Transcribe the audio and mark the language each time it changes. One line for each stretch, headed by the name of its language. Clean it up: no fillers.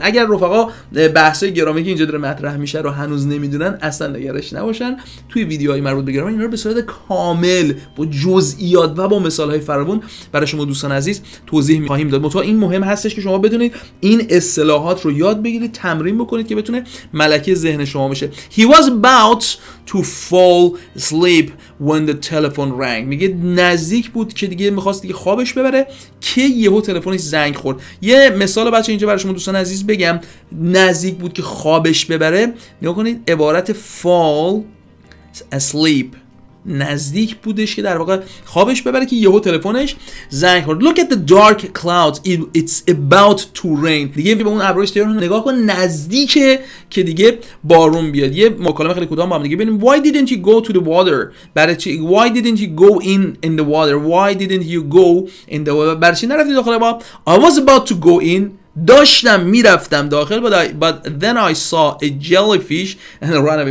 Persian: اگر رفقا بحثای گرامری که اینجا داره مطرح میشه رو هنوز نمیدونن، اصلا نگرانش نباشن، توی ویدیوهای مربوط به گرامر اینا رو به صورت کامل با جزئیات و با مثالهای فراوان برای شما دوستان عزیز توضیح می‌خوایم داد. مثلا این مهم هستش که شما بدونید این اصطلاحات رو یاد بگیرید، تمرین بکنید که بتونه ملکه ذهن شما بشه.
English: He was about to fall asleep when the telephone rang.
Persian: میگه نزدیک بود که دیگه میخواست دیگه خوابش ببره که یهو تلفنش زنگ خورد. یه مثال بچه اینجا برای شما دوستان عزیز بگم، نزدیک بود که خوابش ببره. نگاه کنید عبارت fall asleep، نزدیک بودش که در واقع خوابش ببره که یهو تلفنش زنگ خورد.
English: Look at the dark clouds, it's about to rain.
Persian: دیگه به اون ابرش تیار نگاه کن، نزدیکه که دیگه بارون بیاد. یه مکالمه خیلی کوتاه با هم دیگه ببینیم.
English: Why didn't you go to the water? Why didn't you go in the water? Why didn't you go in the water?
Persian: برای چی نرفتی داخل آب؟
English: I was about to go in.
Persian: داشتم میرفتم داخل،
English: but then I saw a jellyfish and ran away.